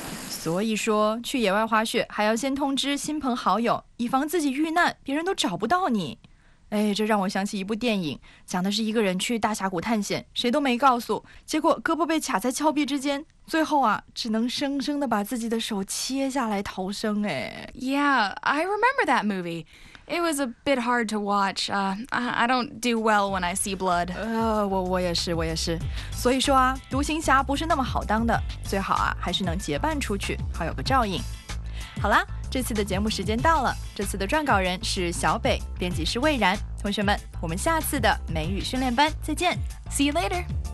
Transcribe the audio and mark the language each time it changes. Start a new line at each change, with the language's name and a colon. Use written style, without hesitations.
Chinese: So, 去野外滑雪还要先通知亲朋好友，以防自己遇难，别人都找不到你。哎，这让我想起一部电影，讲的是一个人去大峡谷探险，谁都没告诉，结果胳膊被卡在峭壁之间，最后啊，只能生生的把自己的手切下来逃生。哎
English: ，Yeah, I remember that movie. It was a bit hard to watch. I don't do well when I see blood.
Chinese: 我也是，我也是。所以说啊，独行侠不是那么好当的，最好啊，还是能结伴出去，好有个照应。好啦，这次的节目时间到了，这次的撰稿人是小北，编辑是魏然。同学们，我们下次的美语训练班再见。
English: See you later.